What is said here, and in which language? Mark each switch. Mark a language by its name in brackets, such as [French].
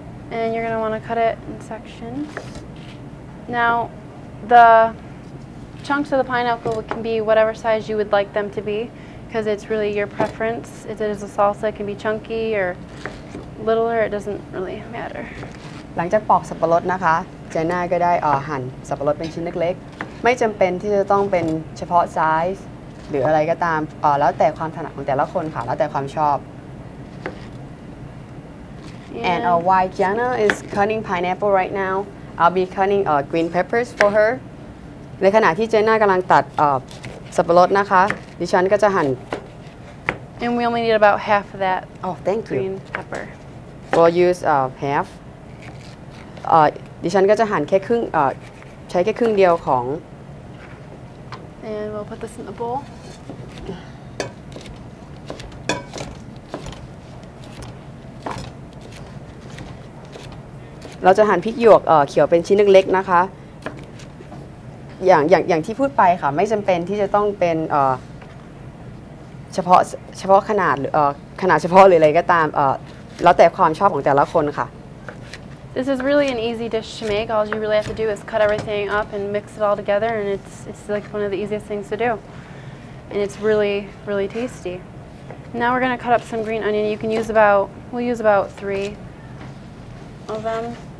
[English] And you're going to want to cut it in sections. Now, the chunks of the pineapple can be whatever size you would like them to be, because it's really your preference. If it is a salsa, it can be chunky or littler. It doesn't really matter. [Thai] หลังจากปอกสับปะรดนะคะเจน่าก็ได้หั่นสับปะรดเป็นชิ้นเล็กๆไม่จำเป็นที่จะต้องเป็นเฉพาะไซส์หรืออะไรก็ตามแล้วแต่ความถนัดของแต่ละคนค่ะแล้วแต่ความชอบ [English] And our wife Jana is cutting pineapple right now. I'll be cutting green peppers for her. [Thai] ในขณะที่เจน่ากำลังตัดสับปะรดนะคะดิฉันก็จะหั่น [English] And we only need about half of that. Oh, thank you. Green pepper. We'll use half. [Thai] ดิฉันก็จะหั่นแค่ครึ่งใช้แค่ครึ่งเดียวของ [English] And we'll put this in the bowl. [Thai] เราจะหั่นพริกหยวกเขียวเป็นชิ้นเล็กๆนะคะอย่างที่พูดไปค่ะไม่จำเป็นที่จะต้องเป็นเฉพาะขนาดหรือขนาดเฉพาะหรืออะไรก็ตามแล้วแต่ความชอบของแต่ละคนค่ะ [English] This is really an easy dish to make. All you really have to do is cut everything up and mix it all together, and it's like one of the easiest things to do. And it's really, really tasty. Now we're going to cut up some green onion. You can use about, we'll use about three of them.